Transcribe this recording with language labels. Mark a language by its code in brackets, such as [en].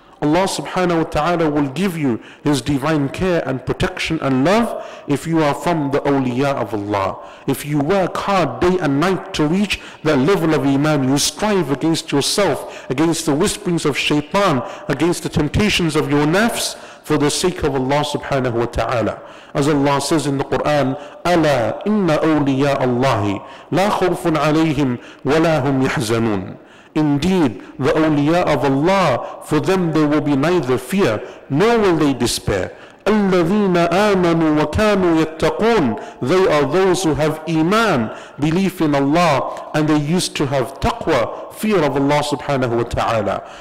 [en] Allah subhanahu wa ta'ala will give you his divine care and protection and love if you are from the awliya of Allah. If you work hard day and night to reach that level of iman, you strive against yourself, against the whisperings of shaitan, against the temptations of your nafs, for the sake of Allah subhanahu wa ta'ala. As Allah says in the Quran, [ar] أَلَا إِنَّ أَوْلِيَاءَ اللَّهِ لَا خَوْفٌ عَلَيْهِمْ وَلَا هُمْ يَحْزَنُونَ. [en] Indeed, the awliya of Allah, for them there will be neither fear nor will they despair. [ar] الَّذِينَ آمَنُوا وَكَانُوا يَتَّقُونَ. [en] They are those who have iman, belief in Allah, and they used to have taqwa, fear of Allah subhanahu wa ta'ala.